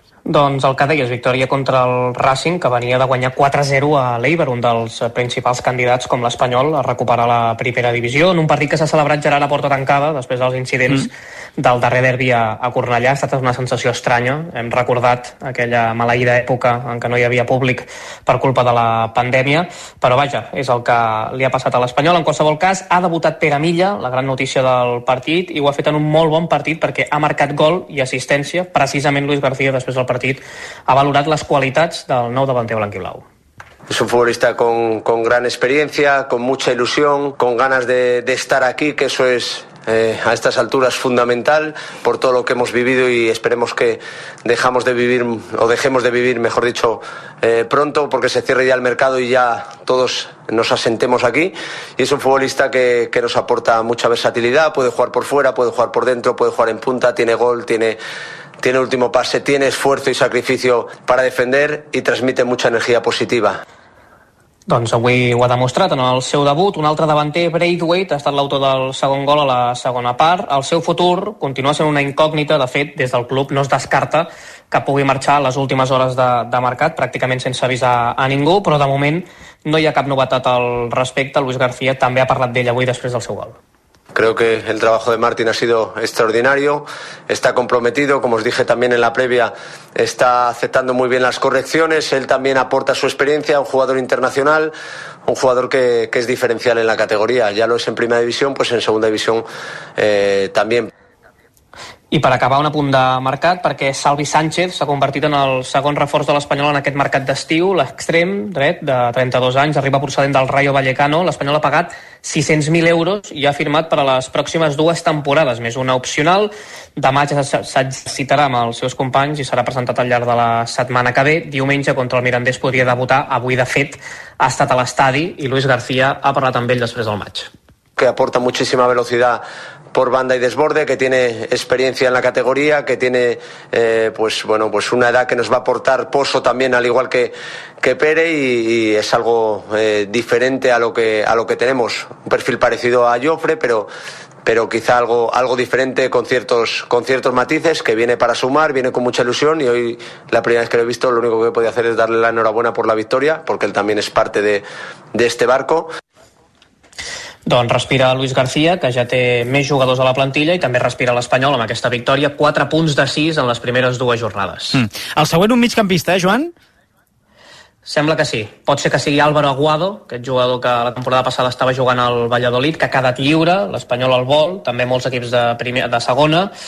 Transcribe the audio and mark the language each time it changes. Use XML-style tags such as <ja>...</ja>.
<ca>Doncs el que deies, victòria contra el Racing, que venia de guanyar 4-0 a l'Eibar, un dels principals candidats com l'Espanyol a recuperar la primera divisió, en un partit que s'ha celebrat Gerard a porta tancada després dels incidents del darrer derbi a Cornellà. Ha estat una sensació estranya, hem recordat aquella maleïda època en què no hi havia públic per culpa de la pandèmia, però vaja, és el que li ha passat a l'Espanyol. En qualsevol cas, ha debutat Pere Milla, la gran notícia del partit, i ho ha fet en un molt bon partit perquè ha marcat gol i assistència. Precisament Luis García, després del partit, ha valorat les qualitats del nou davanter blanquiblau.</ca> <es>Es un futbolista con gran experiencia, con mucha ilusión, con ganas de estar aquí, que eso es a estas alturas fundamental por todo lo que hemos vivido y esperemos que dejamos de vivir o dejemos de vivir, mejor dicho, pronto, porque se cierre ya el mercado y ya todos nos asentemos aquí. Y es un futbolista que nos aporta mucha versatilidad, puede jugar por fuera, puede jugar por dentro, puede jugar en punta, tiene gol, tiene último pase, tiene esfuerzo y sacrificio para defender y transmite mucha energía positiva.</es> <ca>Doncs avui ho ha demostrat en el seu debut. Un altre davanter, Braithwaite, ha estat l'autor del segon gol a la segona part. El seu futur continua sent una incògnita. De fet, des del club no es descarta que pugui marxar a les últimes hores de mercat, pràcticament sense avisar a ningú, però de moment no hi ha cap novetat al respecte. Luis García també ha parlat d'ell avui després del seu gol.</ca> <es>Creo que el trabajo de Martín ha sido extraordinario, está comprometido, como os dije también en la previa, está aceptando muy bien las correcciones, él también aporta su experiencia, un jugador internacional, un jugador que es diferencial en la categoría, ya lo es en primera división, pues en segunda división también.</es> <ca>I per acabar, un apunt de mercat, perquè Salvi Sánchez s'ha convertit en el segon reforç de l'Espanyol en aquest mercat d'estiu. L'extrem dret, de 32 anys, arriba procedent del Rayo Vallecano. L'Espanyol ha pagat 600.000 euros i ha firmat per a les pròximes dues temporades, més una opcional. Demà ja s'exercitarà amb els seus companys i serà presentat al llarg de la setmana que ve. Diumenge, contra el Mirandés, podria debutar. Avui, de fet, ha estat a l'estadi i Luis García ha parlat amb ell després del maig.</ca> <es>Que aporta</es> <ca>moltíssima velocitat</ca> <es>por banda y desborde, que tiene experiencia en la categoría, que tiene pues una edad que nos va a aportar pozo también, al igual que Pere, y es algo diferente a lo que tenemos. Un perfil parecido a Jofre, pero quizá algo diferente, con ciertos matices, que viene para sumar, viene con mucha ilusión, y hoy, la primera vez que lo he visto, lo único que podía hacer es darle la enhorabuena por la victoria, porque él también es parte de este barco.</es> <ca>Doncs respira Luis García, que ja té més jugadors a la plantilla, i també respira l'Espanyol amb aquesta victòria, 4 punts de 6 en les primeres dues jornades. El següent, un migcampista, Joan? Sembla que sí. Pot ser que sigui Álvaro Aguado, aquest jugador que la temporada passada estava jugant al Valladolid, que ha quedat lliure, l'Espanyol al vol, també molts equips de segona.</ca>